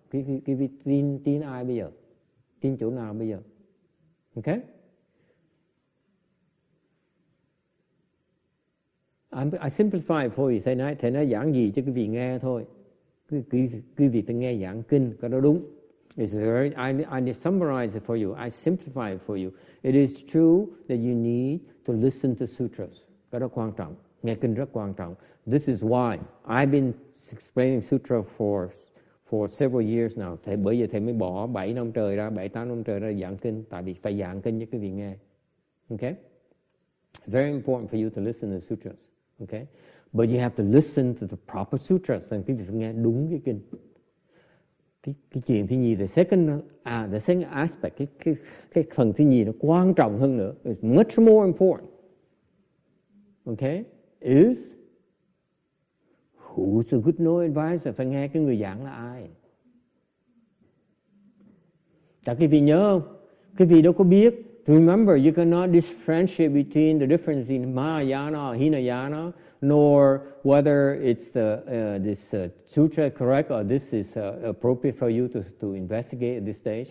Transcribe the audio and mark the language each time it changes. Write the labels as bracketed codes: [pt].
[vi] Cái vị tin, tin ai bây giờ? Tin chỗ nào bây giờ? Okay? [en] I simplify for you. [vi] Thầy nói giảng gì cho quý vị nghe thôi. Quý vị ta nghe giảng kinh, có đó đúng. [en] I summarize it for you. I simplify it for you. It is true that you need to listen to sutras. [vi] Có đó quan trọng. Nghe kinh rất quan trọng. [en] This is why I've been explaining sutra for several years now. [vi] Thầy bây giờ thầy mới bỏ 7 năm trời ra, 7-8 năm trời ra giảng kinh. Tại vì phải giảng kinh cho quý vị nghe. [en] Okay? Very important for you to listen to sutras. Okay, but you have to listen to the proper sutras. [vi] And quý vị phải nghe đúng cái kinh. Cái chuyện thứ nhì, [en] the second aspect, [vi] cái phần thứ nhì nó quan trọng hơn nữa. [en] It's much more important. Okay, is who's a good no advisor? [vi] Phải nghe cái người giảng là ai. Chắc quý vị nhớ không? Quý vị đâu có biết. [en] Remember, you cannot differentiate between the difference in Mahayana or Hinayana, nor whether it's this sutra correct or this is appropriate for you to investigate at this stage.